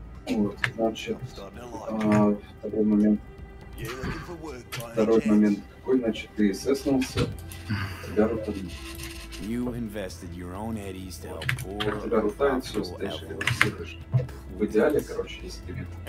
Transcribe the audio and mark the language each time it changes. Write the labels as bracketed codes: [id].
[ru] Вот, значит, второй момент. Какой, значит, ты сэснулся, тебя рутанул. [en] You invested your own eddies to help poor. [ru] Как тебя рутают, все, дальше ты рассыпаешь. В идеале, короче, если ты...